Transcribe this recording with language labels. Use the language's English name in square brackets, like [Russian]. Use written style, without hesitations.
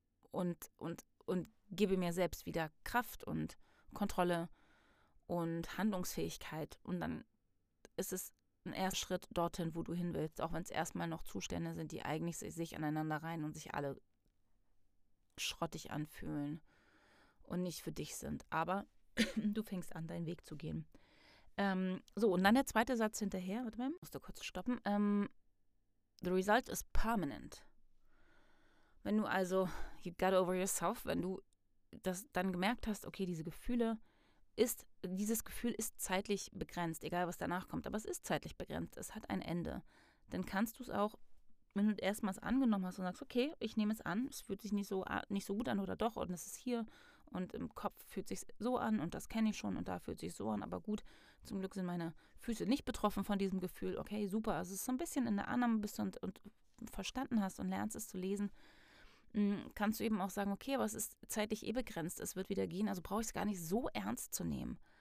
[German] und gebe mir selbst wieder Kraft und Kontrolle und Handlungsfähigkeit und dann ist es ein erster Schritt dorthin, wo du hin willst, auch wenn es erstmal noch Zustände sind, die eigentlich sich aneinander reihen und sich alle schrottig anfühlen und nicht für dich sind, aber du fängst an, deinen Weg zu gehen. So, und dann der zweite Satz hinterher, warte mal, musst du kurz stoppen. [English] The result is permanent. [German] Wenn du also, [English] you got over yourself, [German] wenn du das dann gemerkt hast, okay, dieses Gefühl ist zeitlich begrenzt, egal was danach kommt, aber es ist zeitlich begrenzt, es hat ein Ende, dann kannst du es auch, wenn du erstmals angenommen hast und sagst, okay, ich nehme es an, es fühlt sich nicht so gut an oder doch, und es ist hier und im Kopf fühlt sich so an und das kenne ich schon und da fühlt sich so an, aber gut, zum Glück sind meine Füße nicht betroffen von diesem Gefühl, okay, super, also es ist so ein bisschen in der Annahme bist und verstanden hast und lernst es zu lesen, kannst du eben auch sagen, okay, aber es ist zeitlich eh begrenzt, es wird wieder gehen, also brauche ich es gar nicht so ernst zu nehmen.